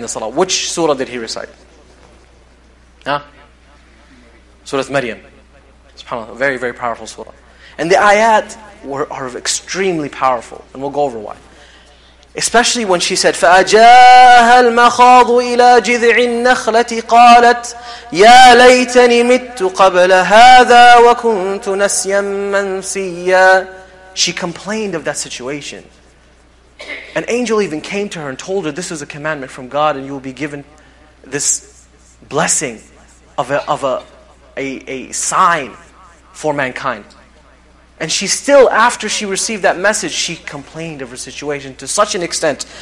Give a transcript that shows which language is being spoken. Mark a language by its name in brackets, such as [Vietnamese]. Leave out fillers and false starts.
[English] Which surah did he recite? Huh? Surah Maryam. SubhanAllah, very, very powerful surah. And the ayat are extremely powerful, and we'll go over why. Especially when she said, [Arabic] فَأَجَاهَا الْمَخَاضُ إِلَىٰ جِذْعِ النَّخْلَةِ قَالَتْ يَا لَيْتَنِي مِتُّ قَبْلَ هَذَا وَكُنْتُ نَسْيًا مَنْسِيًّا. [English] She complained of that situation. An angel even came to her and told her, this is a commandment from God and you will be given this blessing of a sign for mankind. And she still, after she received that message, she complained of her situation to such an extent.